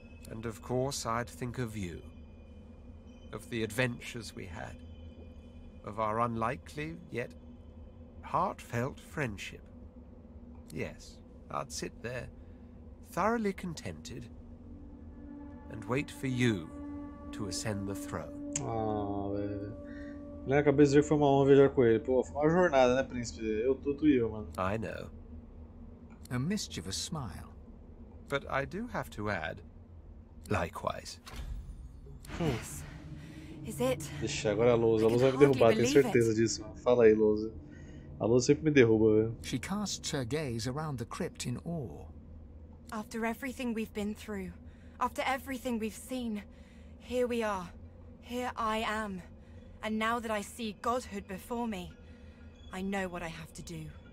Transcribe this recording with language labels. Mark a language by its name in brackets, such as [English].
[English] And of course I'd think of you, of the adventures we had, of our unlikely yet heartfelt friendship. Yes, I'd sit there, thoroughly contented, and wait for you to ascend the throne. Oh, baby. [Portuguese] Eu acabei de dizer que foi uma honra viajar com ele. Pô, foi uma jornada, né, príncipe? Eu tudo eu, mano. [English] I know. A mischievous smile. But I do have to add, likewise. Yes. Is it? [Portuguese] Deixa, agora a Lousa. A Lousa vai me derrubar, tenho certeza disso. Fala aí, Lousa. A Lousa sempre me derruba, velho. [English] She casts her gaze around the crypt in awe. After everything we've been through, after everything we've seen, here we are. Here I am. And now that I see godhood before me, I know what I have to do.